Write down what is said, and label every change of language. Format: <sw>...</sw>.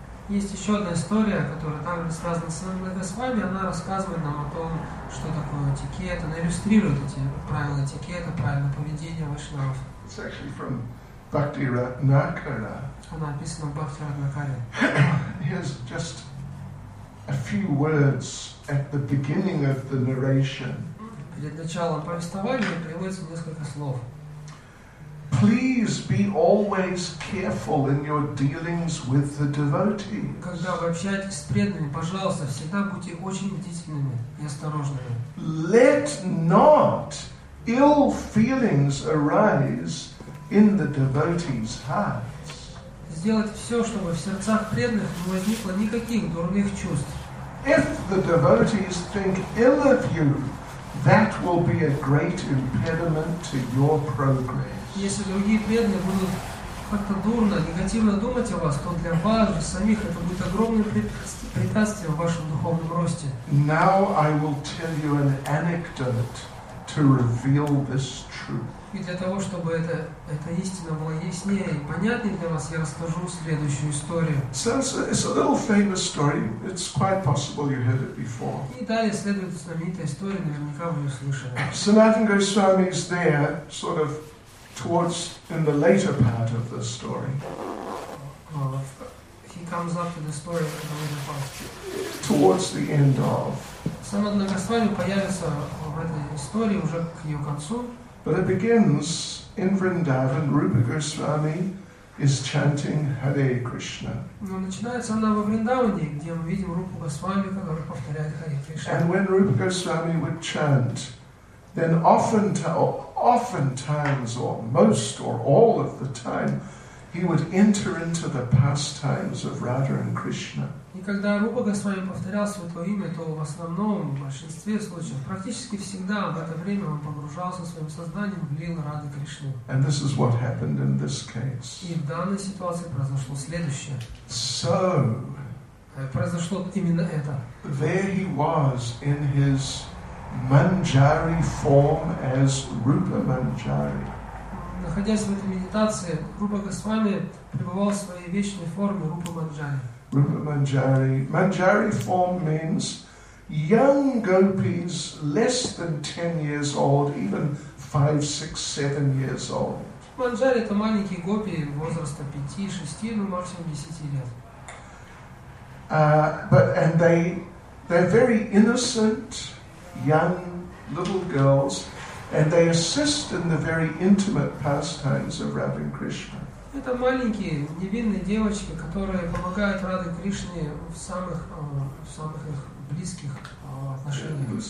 <ru>Есть еще одна история, которая также связана с Сананой Госвами, она рассказывает нам о том, что такое этикет, она иллюстрирует эти правила этикета, правила поведения вайшнавов.</ru> <en>It's actually from Bhakti Ratnakara.</en> <ru>Она описана в Бхакти Ратнакаре.</ru> <en>Here's just a few words at the beginning of the narration.</en> <ru>Перед началом повествования приводится несколько слов.</ru> <en>Please be always careful in your dealings with the devotees.</en> <ru>Когда вы общаетесь с преданными, пожалуйста, всегда будьте очень бдительными и осторожными.</ru> <en>Let not ill feelings arise in the devotees' hearts.</en> <ru>Сделать все, чтобы в сердцах преданных не возникло никаких дурных чувств.</ru> <en>If the devotees think ill of you, that will be a great impediment to your progress.</en> <ru>Если другие преданные будут как-то дурно, негативно думать о вас, то для вас же самих это будет огромным препятствием в вашем духовном росте.</ru> <en>Now I will tell you an anecdote to reveal this truth.</en> <ru>И для того, чтобы эта истина была яснее и понятнее для вас, я расскажу следующую историю.</ru> <en>It's a little famous story. It's quite possible you heard it before.</en> <ru>И далее следует знаменитая история, наверняка вы ее слышали.</ru> <en>Sanatana Goswami is there, sort of towards in the later part of the story. He comes up to the story in the later part. Towards the end of.</en> <ru>Sanatana Goswami появится в этой истории уже к ее концу.</ru> <en>But it begins in Vrindavan. Rupa Goswami is chanting Hare Krishna.</en> <ru>Но начинается она во Вриндаване, где мы видим Рупу Госвами, который повторяет Хари Кришна.</ru> <en>And when Rupa Goswami would chant, then often times, or most, or all of the time, he would enter into the pastimes of Radha and Krishna.</en> <ru>И когда Рупа Госвами повторял свое твое имя, то в основном, в большинстве случаев, практически всегда в это время он погружался своим сознанием в лилы Рады Кришны.</ru> <en>And this is what happened in this case.</en> <ru>И в данной ситуации произошло следующее.</ru> <en>So,</en> <ru>произошло именно это.</ru> <en>There he was in his Manjari form as Rupa Manjari.</en> <ru>Находясь в этой медитации, Рупа Госвами пребывал в своей вечной форме Рупа Манджари.</ru> <en>Rupa Manjari. Manjari form means young gopis less than 10 years old, even 5, 6, 7 years old.</en> <ru>Manjari — это маленькие гопи возраста 5, 6, ну, максимум 10 лет.</ru> <en>But they're very innocent young little girls, and they assist in the very intimate pastimes of Radha and Krishna.</en> <ru>Это маленькие невинные девочки, которые помогают Раде Кришне в самых близких отношениях.</ru>